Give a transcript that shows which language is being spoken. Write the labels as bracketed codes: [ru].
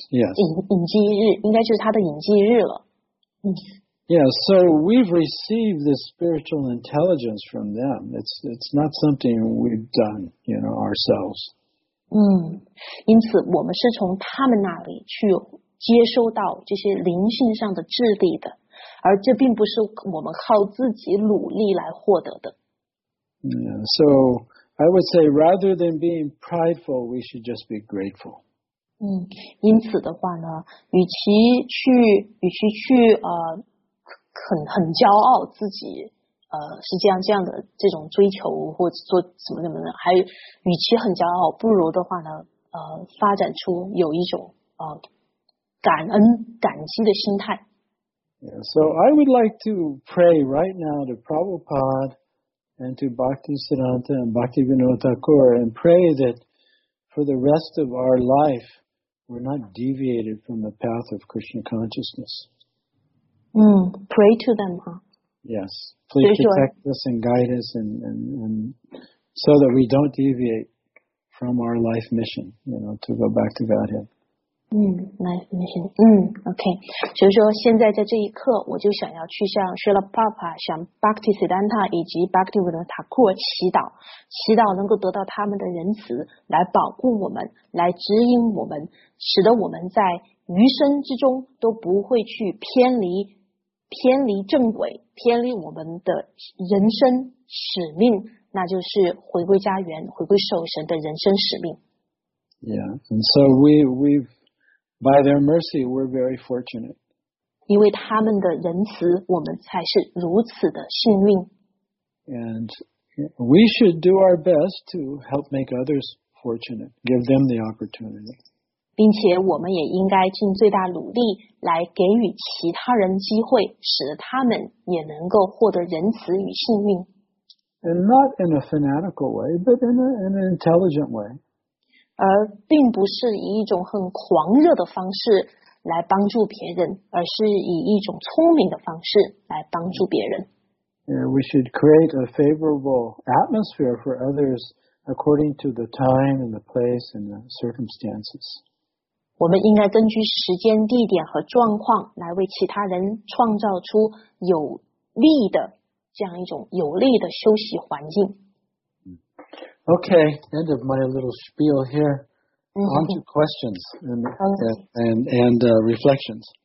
[zh] 隐迹日，应该就是他的隐迹日了。 Yeah. [en] So we've received this spiritual intelligence from them. It's not something we've done, you know, ourselves. [zh] 因此我们是从他们那里去接收到这些灵性上的智力的，而这并不是我们靠自己努力来获得的。 [en] So I would say rather than being prideful, we should just be grateful. [zh] 因此的话呢，与其去很骄傲自己。是这样的这种追求或者做什么什么的，还与其很骄傲，不如的话呢，发展出有一种感恩感激的心态。 [en] Yeah, so I would like to pray right now to Prabhupada and to Bhakti Siddhanta and Bhakti Vinod Thakur and pray that for the rest of our life we're not deviated from the path of Krishna consciousness. Pray to them, huh? Yes, please protect us and guide us and so that we don't deviate from our life mission, you know, to go back to Godhead. Life mission. Okay. [zh] 所以说现在在这一刻我就想要去向 Srila Prabhupada, 向 Bhakti Siddhanta 以及 Bhakti Vinod Thakur 祈祷能够得到他们的仁慈来保护我们，来指引我们，使得我们在余生之中都不会去偏离偏离正轨，偏离我们的人生使命，那就是回归家园，回归受神的人生使命。 [en] Yeah, and so we've by their mercy, we're very fortunate. [zh] 因为他们的仁慈，我们才是如此的幸运。 [en] And we should do our best to help make others fortunate, give them the opportunity. [zh] 并且我们也应该尽最大努力来给予其他人机会，使他们也能够获得仁慈与幸运。 [en] And not in a fanatical way, but in an intelligent way. [zh] 而并不是以一种很狂热的方式来帮助别人，而是以一种聪明的方式来帮助别人。 [en] Yeah, we should create a favorable atmosphere for others according to the time and the place and the circumstances. [zh] 我们应该根据时间、地点和状况来为其他人创造出有利的这样一种有利的休息环境。 [en] Okay, end of my little spiel here. On to questions and reflections.